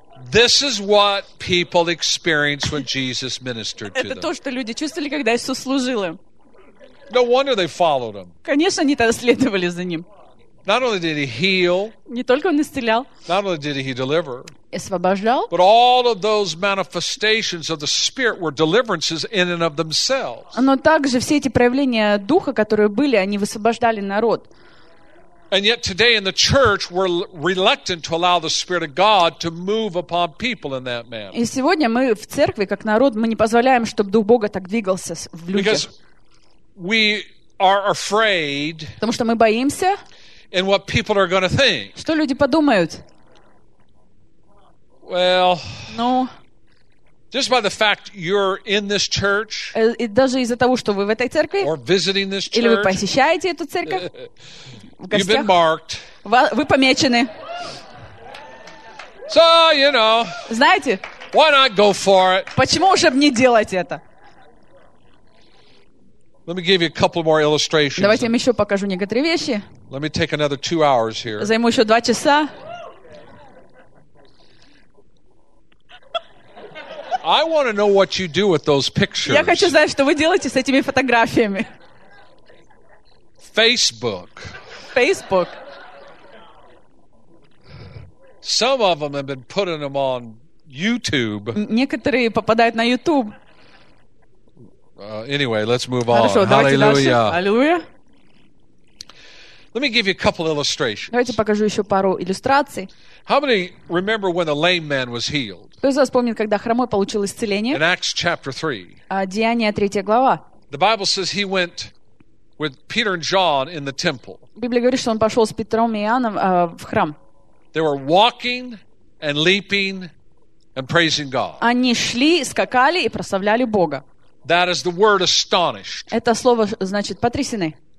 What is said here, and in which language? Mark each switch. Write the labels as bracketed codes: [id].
[en] This is what people experienced when Jesus ministered to them. [ru] Это то, что люди чувствовали, когда Иисус служил им. [en] No wonder they followed him. [ru] Конечно, они тогда следовали за ним. [en] Not only did he heal. [ru] Не только он исцелял. [en] Not only did he deliver. [ru] Освобождал. [en] But all of those manifestations of the Spirit were deliverances in and of themselves. [ru] Но также все эти проявления духа, которые были, они высвобождали народ. [en] And yet today in the church we're reluctant to allow the Spirit of God to move upon people in that manner. [ru] И сегодня мы в церкви как народ мы не позволяем, чтобы дух Бога так двигался в людях. [en] Because we are afraid. [ru] Потому что мы боимся. [en] And what people are going to think? [ru] Что люди подумают? [en] Well. [ru] Ну. [en] Just by the fact you're in this church. [ru] И даже из-за того, что вы в этой церкви. [en] Or visiting this church. [ru] Или вы посещаете эту церковь. [en] You've been marked. [ru] Вы помечены. [en] So, you know. [ru] Знаете? [en] Why not go for it? [ru] Почему уже не делать это? [en] Let me give you a couple more illustrations. [ru] Давайте я еще покажу некоторые вещи. [en] Let me take another 2 hours here. [ru] Займу еще 2 часа. [en] I want to know what you do with those pictures. [ru] Я хочу знать, что вы делаете с этими фотографиями. [en] Facebook. Facebook. Some of them have been putting them on YouTube. [ru] Некоторые попадают на YouTube. [en] Anyway, let's move [ru] Хорошо, [en] on. Hallelujah. [ru] Hallelujah. [en] Let me give you a couple illustrations. [ru] Давайте покажу еще пару иллюстраций. [en] How many remember when the lame man was healed? [ru] Кто из вас помнит, когда хромой получил исцеление? [en] In Acts chapter 3. [ru] Деяния 3 глава. [en] The Bible says he went with Peter and John in the temple. [ru] Библия говорит, что он пошел с Петром и Иоанном в храм. [en] They were walking and leaping and praising God. [ru] Они шли, скакали и прославляли Бога. [en] That is the word astonished. [ru] Это слово значит потрясены.